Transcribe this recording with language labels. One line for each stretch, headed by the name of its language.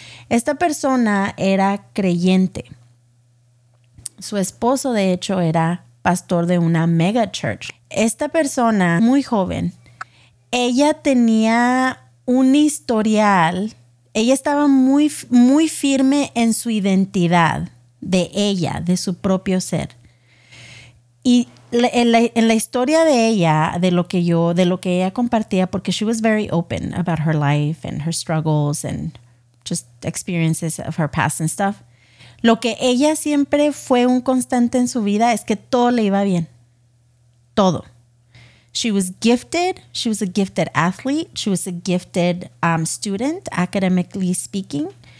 Spanish: Esta persona era creyente. Su esposo, de hecho, era pastor de una mega church. Esta persona, muy joven, ella tenía un historial. Ella estaba muy, muy firme en su identidad de ella, de su propio ser. Y en la historia de ella, de lo que ella compartía, porque
English: she was very open about her life and her struggles and just experiences of her past and stuff.
Spanish: Lo que ella siempre fue un constante en su vida es que todo le iba bien. Todo.
English: She was gifted. She was a gifted athlete. She was a gifted student, academically speaking.